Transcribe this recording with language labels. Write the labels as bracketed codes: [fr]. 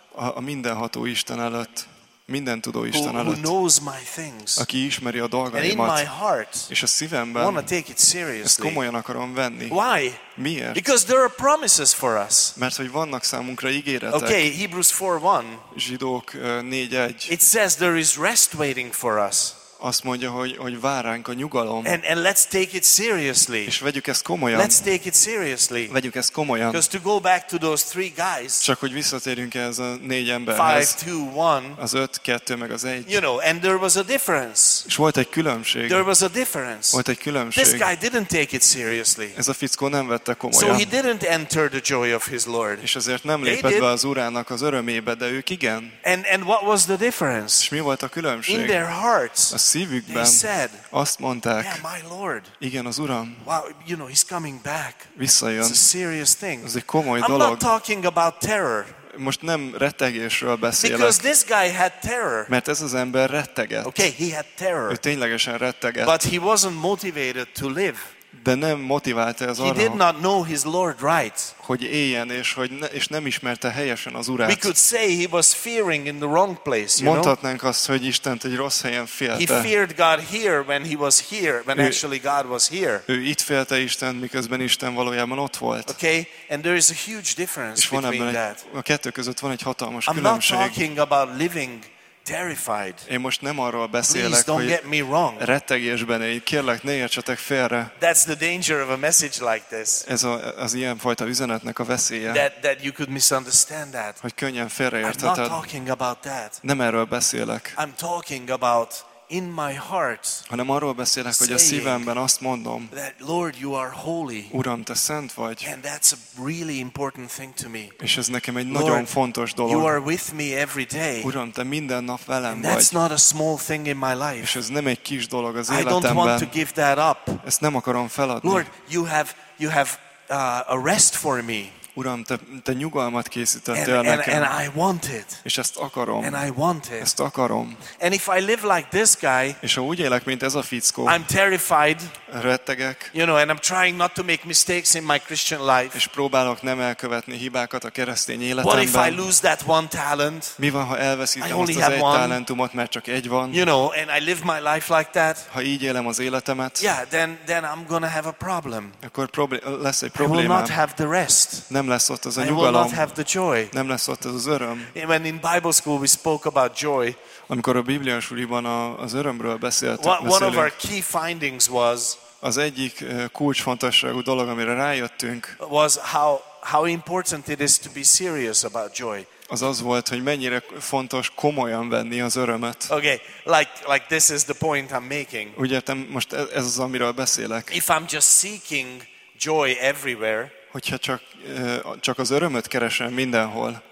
[hu] A mindenható Isten előtt. Minden tudó Isten előtt, [en] who knows my things, [hu] aki ismeri a dolgaimat, [en] and in my heart, [hu] és a szívemben [en] wanna take it seriously. [hu] Ezt komolyan akarom venni. [en] Why? [hu] Miért? [en] Because there are promises for us. [hu] Mert hogy vannak számunkra ígéretek. [en] Okay, Hebrews 4:1. [hu] Zsidók 4:1. [en] It says there is rest waiting for us. [hu] Azt mondja, hogy vár ránk a nyugalom. [en] And let's take it seriously. [hu] És vegyük ezt komolyan. [en] Let's take it seriously. [hu] Vegyük ezt komolyan. [en] Because to go back to those three guys. [hu] Csak hogy visszatérjünk ez a négy emberhez. [en] 5:2:1. [hu] Az 5:2 meg az 1. [en] You know, and there was a difference. [hu] És volt egy különbség. [en] There was a difference. [hu] Volt egy különbség. [en] This guy didn't take it seriously. [hu] Ez a fickó nem vette komolyan. [en] So he didn't enter the joy of his Lord. [hu] És azért nem lépett be az Urának az örömébe, de ők igen. [en] And what was the difference? [hu] És mi volt a különbség? [en] In their hearts. [hu] Szívükben azt mondták, igen, az Uram, [en] wow, you know, he's coming back. [hu] Visszajön. [en] It's a serious thing. [hu] Ez egy komoly [en] I'm [hu] dolog. [en] Not talking about terror. [hu] Most nem rettegésről beszélek. [en] Because this guy had terror. [hu] Mert ez az ember rettegett. [en] Okay, he had terror. [hu] Ő ténylegesen rettegett. [en] But he wasn't motivated to live. [hu] De nem motiválta az arra. [en] He did not know his Lord right. [hu] Hogy éljen és nem ismerte helyesen az Urát. [en] We could say he was fearing in the wrong place, you know. [hu] Mondhatnánk azt, hogy Istent egy rossz helyen félte. [en] He feared God here when he was here, when actually God was here. [hu] Ő itt félte Isten, miközben Isten valójában ott volt. [en] Okay, and there is a huge difference between that. [hu] A kettő között van egy hatalmas [en] I'm [hu] különbség. [en] I'm not talking about living terrified. [hu] Én most nem arról beszélek, [en] please don't [hu] hogy [en] get me wrong. [hu] Rettegésben élj. Kérlek, ne értsetek félre. [en] That's the danger of a message like this. [hu] Ez az ilyen fajta üzenetnek a veszélye. [en] That you could misunderstand that. [hu] Hogy könnyen félreértheted. [en] I'm not talking about that. [hu] Nem erről beszélek. [en] I'm talking about in my heart. [hu] Hanem arról beszélek, hogy a szívemben azt mondom. [en] That Lord, you are holy. [hu] Uram, te szent vagy. [en] And that's a really important thing to me. [hu] És ez nekem egy nagyon fontos dolog. [en] You are with me every day. [hu] Uram, te minden nap velem [en] and [hu] vagy. [en] That's not a small thing in my life. [hu] És ez nem egy kis dolog az [en] I [hu] életemben. [en] I don't want to give that up. [hu] Ezt nem akarom feladni. [en] Lord, you have a rest for me. [hu] Uram, te nyugalmat készítettél nekem. [en] And I want it. [hu] És ezt akarom. [en] And I want it. [hu] Ezt akarom. [en] And if I live like this guy, [hu] és ha úgy élek, mint ez a fickó, [en] I'm terrified. [hu] Rettegek. [en] You know, and I'm trying not to make mistakes in my Christian life. [hu] És próbálok nem elkövetni hibákat a keresztény életemben. [en] What if I lose that one talent? [hu] Mi van, ha elveszítem azt az egy talentumot, mert csak egy van? [en] You know, and I live my life like that. [hu] Ha így élem az életemet. [en] Yeah, then I'm gonna have a problem. [hu] Akkor lesz egy problémám. [en] I will not have the rest. [hu] Nem lesz ott az a nyugalom. [en] I will not have the joy. [hu] Nem lesz ott az öröm. [en] When in Bible school we spoke about joy. [hu] Amikor a Bibliás suliban az örömről beszéltünk. [en] One of our key findings was. [hu] Az egyik kulcsfontosságú dolog, amire rájöttünk. [en] Was how important it is to be serious about joy. [hu] Az az volt, hogy mennyire fontos komolyan venni az örömet. [en] Okay, like this is the point I'm making. [hu] Úgy értem, most ez az, amiről beszélek. [en] If I'm just seeking joy everywhere. [hu] Hogyha csak az örömöt keresem mindenhol.